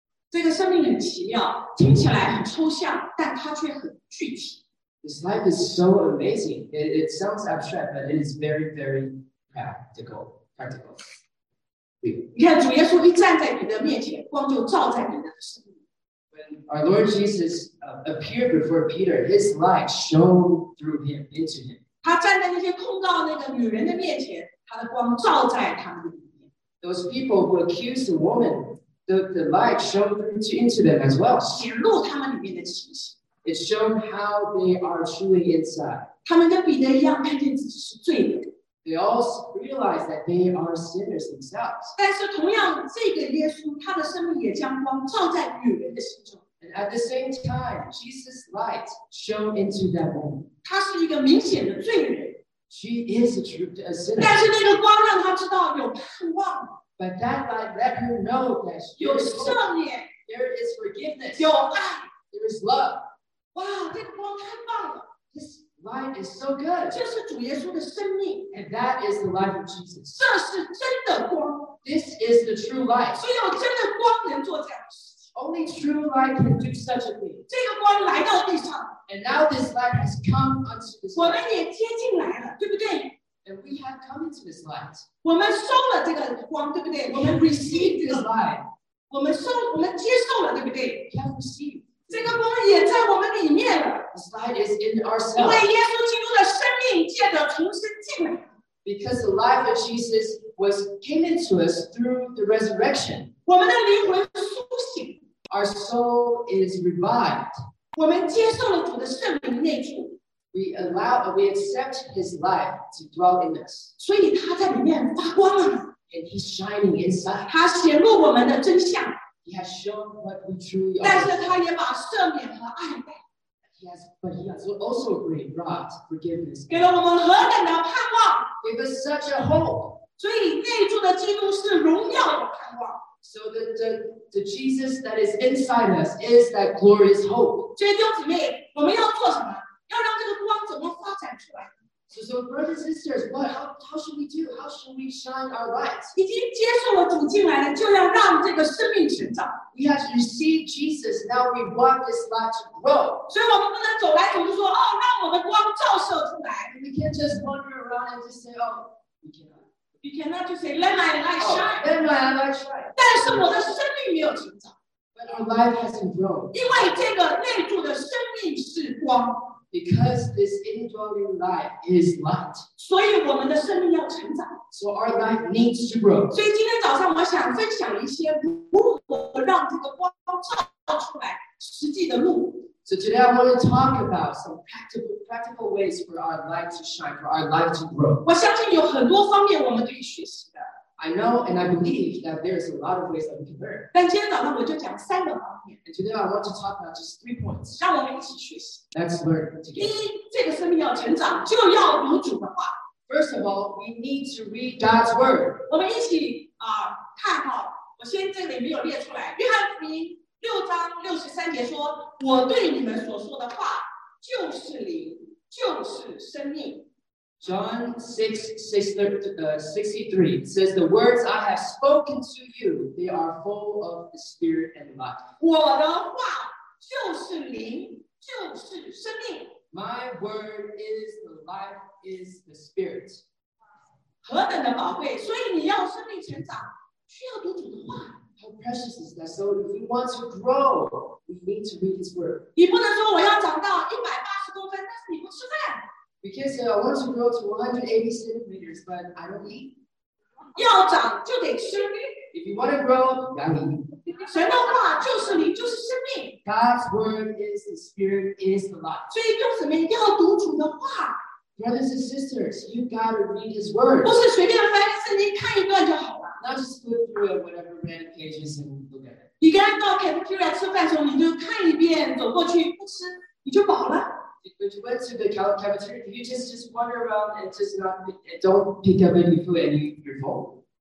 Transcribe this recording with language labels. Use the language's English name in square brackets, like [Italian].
[Chinese] 这个生命很奇妙，听起来很抽象，但它却很具体。 [English] This life is so amazing. It sounds abstract, but it is very, very practical. Practical. [Chinese] 你看，主耶稣一站在你的面前，光就照在你的生命。 [English] When our Lord Jesus appeared before Peter, His light shone through him into him. [Chinese] 他站在那些控告那个女人的面前，他的光照在他们里面。 [English] Those people who accused the woman, the light shone into them as well. [Chinese] 显露他们里面的情形。 [English] It showed how they are truly inside. [Chinese] 他们跟彼得一样，看见自己是罪人。 [English] They all realize that they are sinners themselves. [Chinese] 但是同样，这个耶稣，他的生命也将光照在女人的心中。 [English] And at the same time, Jesus' light shone into that woman. [Chinese] 她是一个明显的罪人。 [English] She is a true sinner. [Chinese] 但是那个光让她知道有盼望。 [English] But that light let her know that she [Chinese] 有赦免。 [English] There is forgiveness. [Chinese] 有爱。 [English] There is love. [Chinese] 哇，这个光太棒了 [English] ！This light is so good. [Chinese] 这是主耶稣的生命 [English] ，and that is the life of Jesus. [Chinese] 这是真的光 [English] ，this is the true light. [Chinese] 所有真的光能做这样的事情 [English] ，only true light can do such a thing. [Chinese] 这个光来到地上 [English] ，and now this light has come unto this. [Chinese] 我们也接近来了，对不对 [English] ？And we have come into this light. [Chinese] 我们收了这个光，对不对？我们 received [English] this light. [Chinese] 我们收，我们接受了，对不对 [English] ？We have received. [Chinese] 这个光也在我们里面了。 [English] This light is in ourselves. [Chinese] 因为耶稣基督的生命借着重生进来。 [English] Because the life of Jesus was given into us through the resurrection. [Chinese] 我们的灵魂苏醒。 [English] Our soul is revived. [Chinese] 我们接受了主的圣灵内住。 [English] We accept His life to dwell in us. [Chinese] 所以他在里面发光了。 [English] And He's shining inside. [Chinese] 他显露我们的真相。 [English] He has shown what we truly are. [Chinese] 但是他也把赦免和爱带。 [English] But he has also brought forgiveness. [Chinese] 给了我们何等的盼望。 [English] Give us such a hope. [Chinese] 所以内住的基督是荣耀的盼望。 [English] So the Jesus that is inside us is that glorious hope. [Chinese] 所以弟兄姊妹，我们要做什么？要让这个光怎么发展出来？ [English] So brothers and sisters, what? How should we do? How should we shine our light? [Chinese] 已经接受了主进来了，就要让这个生命成长。 [English] We have received Jesus. Now we want this light to grow. [Chinese] 所以我们不能走来走去说哦，让我们光照射出来。 [English] We can't just wander around and just say, oh, we cannot. You cannot just say, let my light shine. Let my light shine. [Chinese] 但是我的生命没有成长。 [English] But our life hasn't grown. [Chinese] 因为这个内住的生命是光。 [English] Because this indwelling light is light. [Chinese] 所以我们的生命要成长。 [English] So our life needs to grow. [Chinese] 所以今天早上我想分享一些如何让这个光照出来实际的路。 [English] So today I want to talk about some practical ways for our light to shine, for our life to grow. [Chinese] 我相信有很多方面我们可以学习的。 [English] I know and I believe that there's a lot of ways that we can learn. [Chinese] 但今天早上我就讲三个方面。 [English] And today I want to talk about just three points. [Chinese] 让我们一起学习。 [English] Let's learn together. [Chinese] 第一，这个生命要成长，就要读主的话。 [English] First of all, we need to read God's word. [Chinese] 我们一起看哈，我先这里没有列出来。约翰福音六章六十三节说：“我对你们所说的话，就是灵，就是生命。” [English] John 6:63 says, "The words I have spoken to you, they are full of the Spirit and life." [Chinese] 我的话就是灵，就是生命。 [English] My word is the life, is the Spirit. [Chinese] 何等的宝贵！所以你要生命成长，需要读主的话。 [English] How precious is that? So if we want to grow, we need to read His word. [Chinese] 你不能说我要长到180公分，但是你不吃饭。 [English] We can say, I want to grow to 180 centimeters, but I don't eat. [Chinese] 要长就得生命。 [English] If you want to grow, young. [Chinese] 神的话就是你，就是生命。 [English] God's word is the spirit, is the life. [Chinese] 所以弟兄姊妹要读主的话。 [English] Brothers and sisters, you gotta read His word. [Chinese] 不是随便翻圣经看一段就好了。 [English] Not just flip through whatever random pages and look at it. [Chinese] 你跟他到 cafeteria 吃饭时候，你就看一遍，走过去不吃，你就饱了。 [English] If you went to the cafeteria, you just wander around and just not and don't pick up any food and you're full.